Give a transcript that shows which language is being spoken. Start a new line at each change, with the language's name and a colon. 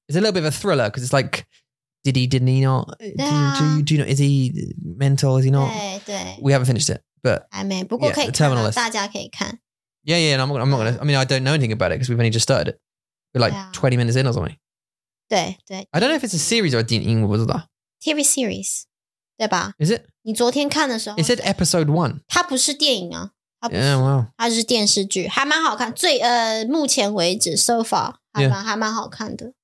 English: It's a little bit of a thriller because it's like. Did he, didn't he not? Do you know, is he mental, is he not?
Chinese: 对
English: We haven't finished it, but...
Chinese: 还没,不过可以看,大家可以看。
English: Yeah, yeah, and I'm not going to... I mean, I don't know anything about it because we've only just started it. We're like 20 minutes in or something.
Chinese: 对对。
English: I don't know if it's a series or a 电影,
Chinese: 我不知道。
English: TV series,
Chinese: 对吧?
English: Is it?
Chinese: 你昨天看的时候...
English: It said episode one.
Chinese: 它不是电影啊。
English: Yeah, wow.
Chinese: 它是电视剧,还蛮好看,最,目前为止,
English: so far,
Chinese: 还蛮好看的。